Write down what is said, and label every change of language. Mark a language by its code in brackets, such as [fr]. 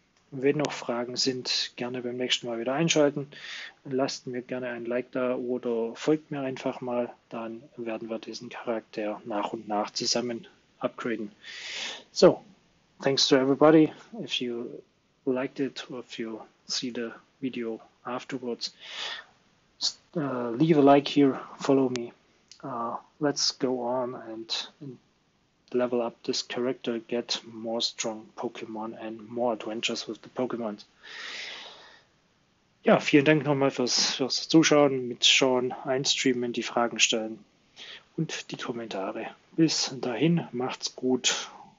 [de] Wenn noch Fragen sind, gerne beim nächsten Mal wieder einschalten. Lasst mir gerne ein Like da oder folgt mir einfach mal. Dann werden wir diesen Charakter nach und nach zusammen upgraden. [en] So, thanks to everybody. If you liked it or if you see the video afterwards, leave a like here, follow me. Let's go on and level up this character, get more strong Pokémon and more adventures with the Pokémon. [de] Ja, vielen Dank nochmal fürs Zuschauen, mitschauen, einstreamen, die Fragen stellen und die Kommentare. Bis dahin, macht's gut.